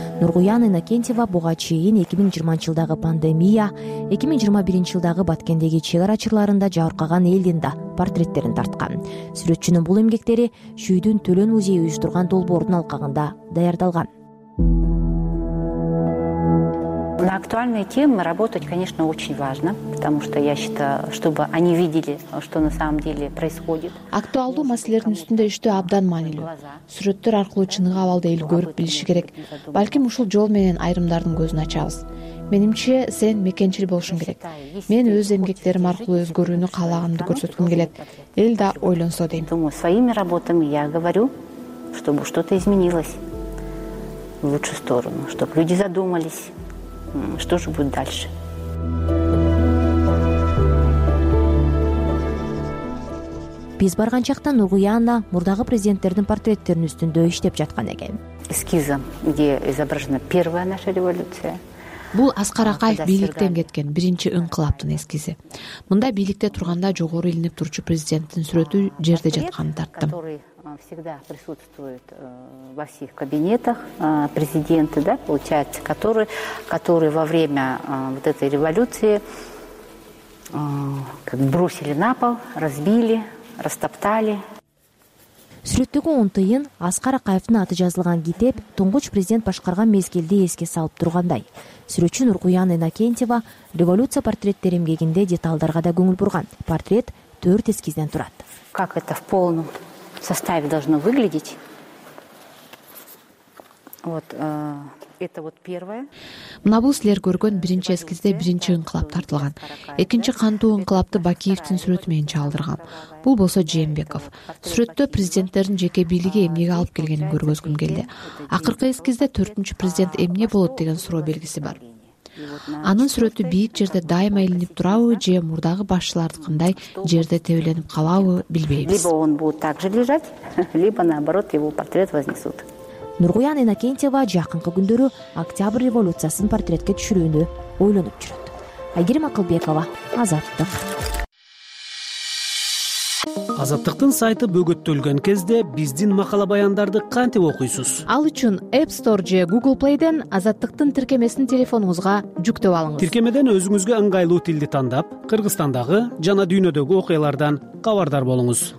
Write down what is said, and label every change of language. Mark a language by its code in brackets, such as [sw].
[ky] Нургуян Айнакентева буга чейин 2020 жылдагы пандемия, 2021 жылдагы Баткендеги чек арачыларында жабыркаган элдин да портреттерин тарткан. Сүрөтчүнүн бул эмгектери Шүйдүн Төлөн музейи уюштурган долбоордун алкагында даярдалган. [ru] На актуальные темы работать, конечно, очень важно, потому что я считаю, чтобы они видели, что на самом деле происходит. [ky] Актуалдуу маселелердин үстүндө иштөө абдан маанилүү. Сүрөттөр аркылуу чыныгы абалды эл көрүп билиши керек. Балким ушул жол менен айрымдардын көзүн ачабыз. Менимче, сен мекенчил болушуң керек. Мен өз эмгектерим аркылуу өзгөрүүнү каалаганымды көрсөткүм келет. Эл да ойлонсо дейм. [ru] Думаю, своими работами я говорю, чтобы что-то изменилось в лучшую сторону, чтобы люди задумались. Что же будет дальше? [ky] Биз барган чакта Нургуяна мурдагы президенттердин портреттерин үстүндө иштеп жаткан экен. [ru] Эскизы, где изображена первая наша революция. [ky] Бул Аскар Акаев бийликтен кеткен биринчи инкылаптын эскизи. Мында бийликте турганда жогору илинип турчу президенттин сүрөтү жерде жатканын тарттым. [ru] Всегда присутствует во всех кабинетах президента, да, получается, который во время вот этой революции как бросили на пол, разбили, растоптали. [ky] Сүрөттөгү онтыйын Аскар Акаевдин аты жазылган китеп туңгуч президент башкарган мезгилди эске салып тургандай. Сүрөтчү Нургуян Айнакентева революция портреттер эмгегинде деталдарга да көңүл бурган. Портрет 4 эскизден турат. [ru] Как это в полном составе должно выглядеть. Вот это вот первое. [ky] Мына бул силер көргөн биринчи эскизде биринчи инкылап тартылган. Экинчи кандуу инкылапты Бакиевдин сүрөтү менен чагылдырган. Бул болсо Жээнбеков. Сүрөттө президенттердин жеке бийлиги эмнеге алып келгенин көргөзгүм келди. Акыркы эскизде 4-түнчү президент эмне болот деген суроо белгиси бар. Анын сүрөтү бийик жерде дайыма илинип турабы же мурдагы башчылардыкындай жерде тебеленип калабы билбейбиз. [ru] Либо он будет так же лежать, либо наоборот его портрет вознесут. [ky] Нургуян Айнакентева жакынкы күндөрү Октябрь революциясынын портретке түшүрүүнү ойлонуп жүрөт. Айгерим Акылбекова, Азаттык. Азаттыктын сайты бөгөттөлгөн кезде биздин макала баяндарды кантип окуйсуз? Ал үчүн App Store же Google Play'ден Азаттыктын тиркемесин телефонуңузга жүктөп алыңыз. Тиркемеден өзүңүзгө ыңгайлуу тилди тандап, Кыргызстандагы жана дүйнөдөгү окуялардан кабардар болуңуз.